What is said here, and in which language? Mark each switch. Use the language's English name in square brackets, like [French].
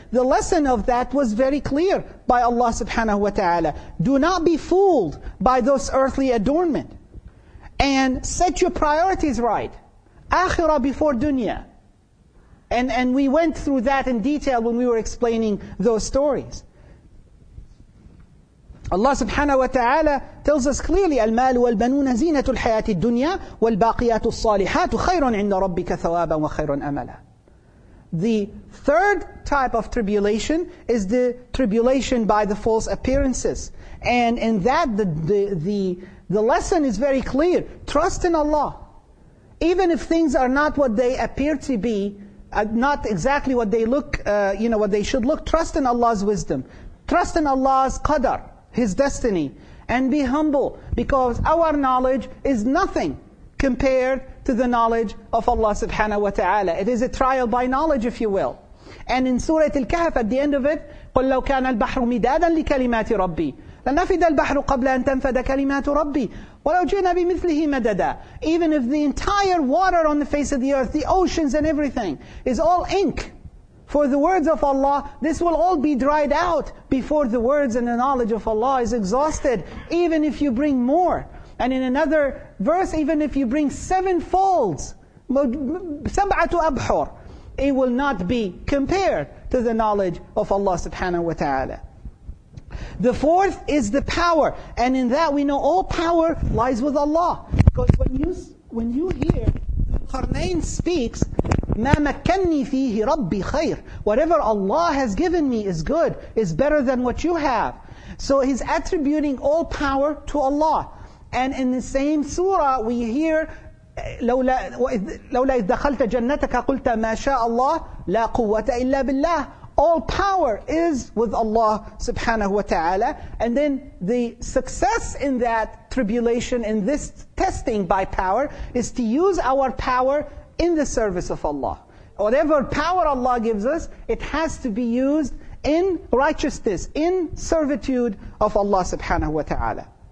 [English] The lesson of that was very clear by Allah subhanahu wa ta'ala. Do not be fooled by those earthly adornment. And set your priorities right. Akhirah before dunya. And we went through that in detail when we were explaining those stories. Allah subhanahu wa ta'ala tells us clearly, [Arabic] المال والبنون زينة الحياة الدنيا والباقيات الصالحات خير عند ربك ثوابا وخير أملا. [English] The third type of tribulation is the tribulation by the false appearances. And in that, the lesson is very clear. Trust in Allah. Even if things are not what they appear to be, not exactly what they look, what they should look. Trust in Allah's wisdom. Trust in Allah's qadr, His destiny. And be humble, because our knowledge is nothing compared to the knowledge of Allah subhanahu wa ta'ala. It is a trial by knowledge, if you will. And in Surah Al-Kahf, at the end of it, [Arabic] قُلْ لَوْ كَانَ الْبَحْرُ مِدَادًا لِكَلِمَاتِ رَبِّي لَنَفِدَ الْبَحْرُ قَبْلَ أَن تَنْفَدَ كَلِمَاتُ رَبِّي وَلَوْ جِئْنَا بِمِثْلِهِ مَدَدًا. [English] Even if the entire water on the face of the earth, the oceans and everything, is all ink for the words of Allah, this will all be dried out before the words and the knowledge of Allah is exhausted, even if you bring more. And in another verse, even if you bring sevenfolds, [Arabic] سَبْعَةُ أَبْحُرْ, [English] it will not be compared to the knowledge of Allah subhanahu wa ta'ala. The fourth is the power. And in that we know all power lies with Allah. Because when you hear Qarnayn speaks, [Arabic] مَا مَكَّنِّي فِيهِ رَبِّي خَيْرٍ, [English] whatever Allah has given me is good, is better than what you have. So he's attributing all power to Allah. And in the same surah we hear, [Arabic] لَوْلَا إِذْ دَخَلْتَ جَنَّتَكَ قُلْتَ مَا شَاءَ اللَّهِ لَا قُوَّةَ إِلَّا بِاللَّهِ. [English] All power is with Allah subhanahu wa ta'ala. And then the success in that tribulation, in this testing by power, is to use our power in the service of Allah. Whatever power Allah gives us, it has to be used in righteousness, in servitude of Allah subhanahu wa ta'ala.